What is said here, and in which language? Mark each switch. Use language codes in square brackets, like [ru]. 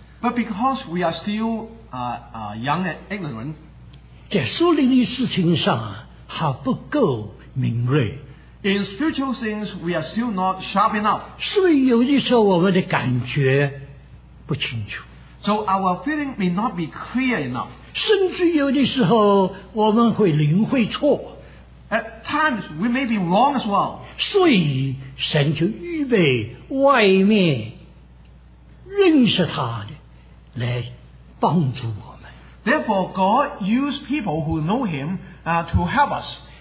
[en] But because we are still young and ignorant, [zh] 在属灵的事情上还不够敏锐。 [en] In spiritual things, we are still not sharp enough. [zh] 所以有的时候我们的感觉不清楚。 [en] So our feeling may not be clear enough. [zh] 甚至有的时候我们会领会错。 [en] At times, we may be wrong as well. [zh] 所以神就预备外面认识他的来帮助我们。 [en] Therefore, God used people who know him to help us.